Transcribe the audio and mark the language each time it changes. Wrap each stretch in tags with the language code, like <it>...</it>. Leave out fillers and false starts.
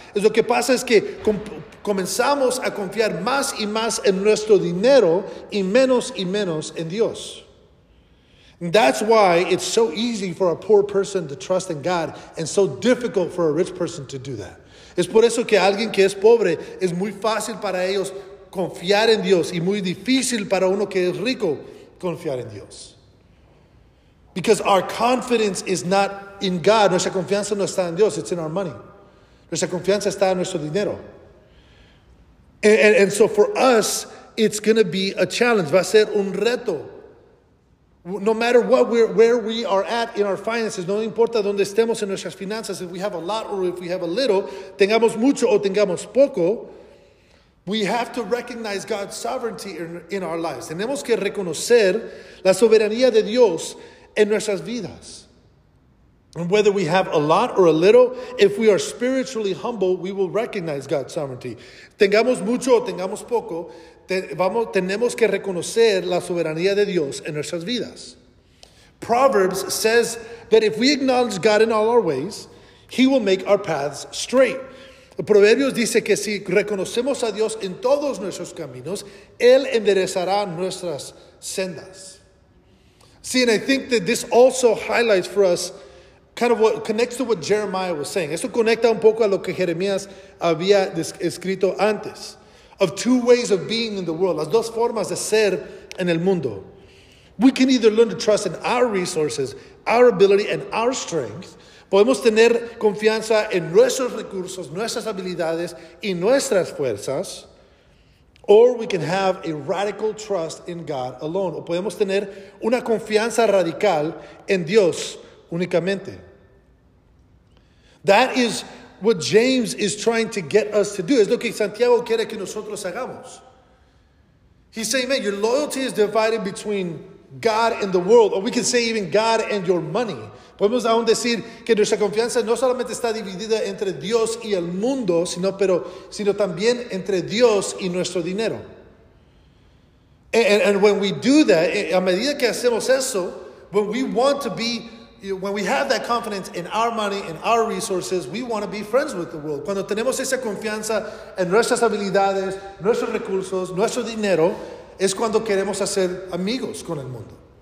<es>Es lo que pasa es que comenzamos a confiar más y más en nuestro dinero y menos en Dios.</es> <en>And that's why it's so easy for a poor person to trust in God and so difficult for a rich person to do that.</en> <es>Es por eso que alguien que es pobre es muy fácil para ellos confiar en Dios y muy difícil para uno que es rico confiar en Dios.</es> <en>Because our confidence is not in God.</en> <es>Nuestra confianza no está en Dios.</es> <en>It's in our money.</en> <es>Nuestra confianza está en nuestro dinero.</es> <en>And so for us, it's going to be a challenge.</en> <es>Va a ser un reto.</es> <en>No matter what where we are at in our finances,</en> <es>no importa dónde estemos en nuestras finanzas,</es> <en>if we have a lot or if we have a little,</en> <es>tengamos mucho o tengamos poco,</es> <en>we have to recognize God's sovereignty in our lives.</en> <es>Tenemos que reconocer la soberanía de Dios en nuestras vidas.</es> <en>And whether we have a lot or a little, if we are spiritually humble, we will recognize God's sovereignty.</en> <es>Tengamos mucho o tengamos poco, tenemos que reconocer la soberanía de Dios en nuestras vidas.</es> <en>Proverbs says that if we acknowledge God in all our ways, he will make our paths straight.</en> <es>Proverbios dice que si reconocemos a Dios en todos nuestros caminos, él enderezará nuestras sendas.</es> <en>See, and I think that this also highlights for us kind of what connects to what Jeremiah was saying.</en> <es>Esto conecta un poco a lo que Jeremías había escrito antes.</es> <en>Of two ways of being in the world.</en> <es>Las dos formas de ser en el mundo.</es> <en>We can either learn to trust in our resources, our ability, and our strength.</en> <es>Podemos tener confianza en nuestros recursos, nuestras habilidades, y nuestras fuerzas.</es> <en>Or we can have a radical trust in God alone.</en> <es>O podemos tener una confianza radical en Dios únicamente.</es> <en>That is what James is trying to get us to do.</en> <es>Es lo que Santiago quiere que nosotros hagamos.</es> <en>He's saying, man, your loyalty is divided between God and the world. Or we can say even God and your money.</en> <es>Podemos aún decir que nuestra confianza no solamente está dividida entre Dios y el mundo, sino también entre Dios y nuestro dinero.</es> <en>And when we do that,</en> <es>a medida que hacemos eso,</es> <en>when we want to be, when we have that confidence in our money, in our resources, we want to be friends with the world.</en> <es>Cuando tenemos esa confianza en nuestras habilidades, nuestros recursos, nuestro dinero, es cuando queremos hacer amigos con el mundo.</es>